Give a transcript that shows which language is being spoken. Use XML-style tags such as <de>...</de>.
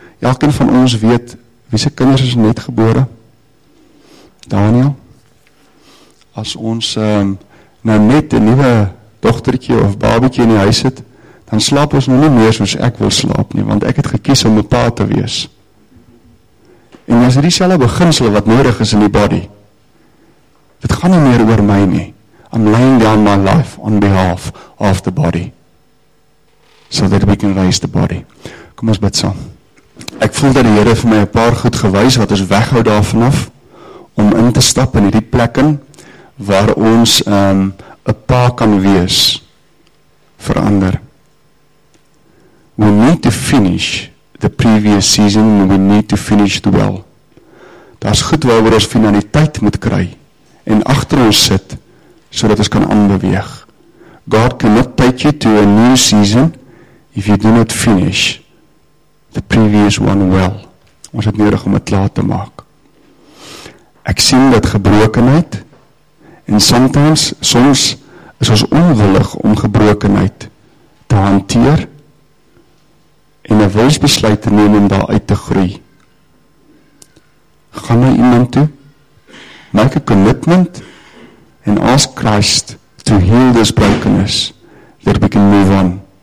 <af>Elkeen van ons weet, wie se kinders is net gebore? Daniel, as ons nou net 'n nuwe dogtertjie of babietjie in die huis het, dan slaap ons nou nie meer soos ek wil slaap nie, want ek het gekies om 'n pa te wees. En as hierdie selfe beginsel wat nodig is in die body, dit gaan nie meer oor my nie.</af> <en>I'm laying down my life on behalf of the body, so that we can raise the body.</en> <af>Kom ons bid saam. Ek voel dat die Here vir my 'n paar goed gewys wat ons weghou daarvan af om in te stap in hierdie plekke waar ons 'n pa kan wees vir ander.</af> <en>We need to finish the previous season and we need to finish it well.</en> <af>Daar's goed waaroor ons finaliteit moet kry en agter ons sit sodat ons kan aanbeweeg.</af> <en>God cannot take you to a new season if you do not finish the previous one well.</en> <af>Ons het nodig om het klaar te maak. Ek sien dat gebrokenheid, en soms is ons onwillig om gebrokenheid te hanteer en 'n wilsbesluit te neem om daar uit te groei. Gaan na iemand toe, maak 'n commitment en</af> <en>ask Christ to heal this brokenness that we can move on.</en>